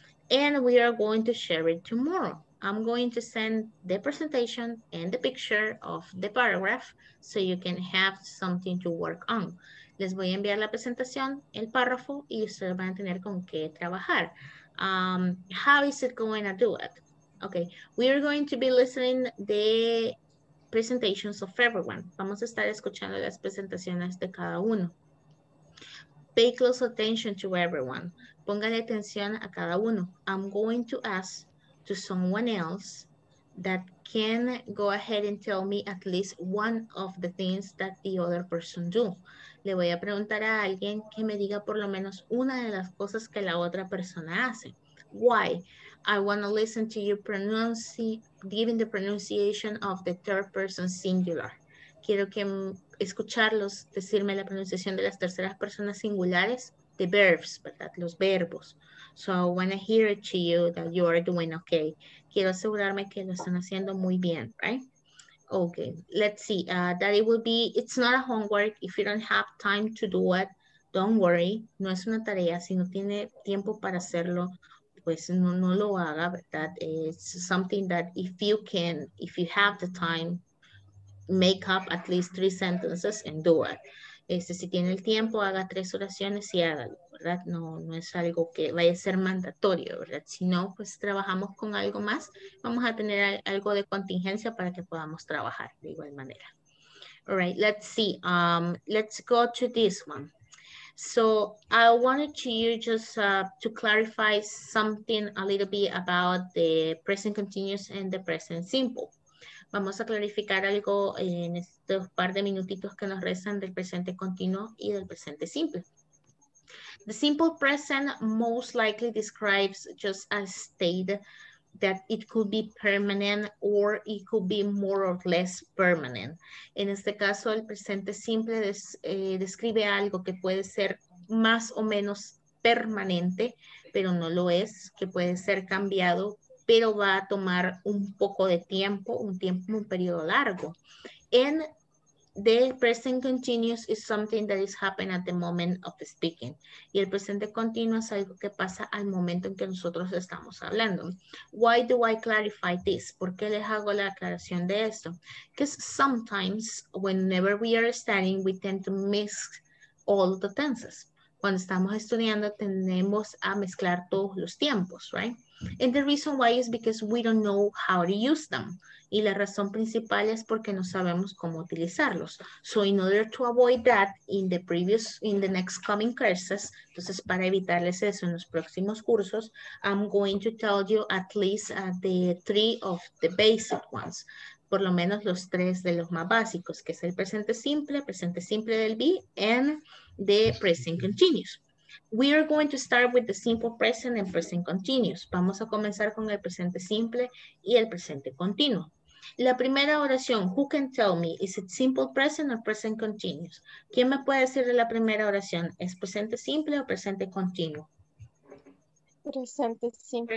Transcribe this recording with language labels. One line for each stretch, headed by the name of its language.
English: And we are going to share it tomorrow. I'm going to send the presentation and the picture of the paragraph so you can have something to work on.
Spanish: Les voy a enviar la presentación, el párrafo, y ustedes van a tener con qué trabajar.
English: How is it going to do it? Okay, we are going to be listening the presentations of everyone.
Spanish: Vamos a estar escuchando las presentaciones de cada uno.
English: Pay close attention to everyone.
Spanish: Póngale atención a cada uno.
English: I'm going to ask to someone else that can go ahead and tell me at least one of the things that the other person do.
Spanish: Le voy a preguntar a alguien que me diga por lo menos una de las cosas que la otra persona hace.
English: Why? I want to listen to you giving the pronunciation of the third person singular.
Spanish: Quiero que escucharlos decirme la pronunciación de las terceras personas singulares,
English: the verbs,
Spanish: ¿verdad? Los verbos.
English: So I want to hear it to you that you are doing okay.
Spanish: Quiero asegurarme que lo están haciendo muy bien, right?
English: Okay, let's see. That it will be, it's not a homework. If you don't have time to do it,
Spanish: don't worry, no es una tarea, si no tiene tiempo para hacerlo, pues no, no lo haga, ¿verdad?
English: It's something that if you can, if you have the time, make up at least 3 sentences and do it.
Spanish: Si tiene el tiempo, haga 3 oraciones y hágalo, ¿verdad? No, no es algo que vaya a ser mandatorio, ¿verdad? Si no, pues trabajamos con algo más, vamos a tener algo de contingencia para que podamos trabajar de igual manera.
English: All right, let's see. Let's go to this one. So I wanted to you just to clarify something a little bit about the present continuous and the present simple.
Spanish: Vamos a clarificar algo en estos par de minutitos que nos restan del presente continuo y del presente simple.
English: The simple present most likely describes just a state that it could be permanent or it could be more or less permanent.
Spanish: En este caso, el presente simple describe algo que puede ser más o menos permanente, pero no lo es, que puede ser cambiado, pero va a tomar un poco de tiempo, un periodo largo.
English: And the present continuous is something that is happening at the moment of speaking.
Spanish: Y el presente continuo es algo que pasa al momento en que nosotros estamos hablando.
English: Why do I clarify this?
Spanish: ¿Por qué les hago la aclaración de esto?
English: Because sometimes, whenever we are studying, we tend to miss all the tenses.
Spanish: Cuando estamos estudiando, tendemos a mezclar todos los tiempos, right?
English: And the reason why is because we don't know how to use them.
Spanish: Y la razón principal es porque no sabemos cómo utilizarlos.
English: So in order to avoid that in the next coming courses,
Spanish: entonces para evitarles eso en los próximos cursos,
English: I'm going to tell you at least the 3 of the basic ones.
Spanish: Por lo menos los 3 de los más básicos, que es presente simple del be,
English: and the present continuous. We are going to start with the simple present and present continuous.
Spanish: Vamos a comenzar con el presente simple y el presente continuo. La primera oración,
English: who can tell me, is it simple present or present continuous?
Spanish: ¿Quién me puede decir de la primera oración? ¿Es presente simple o presente continuo? Presente simple.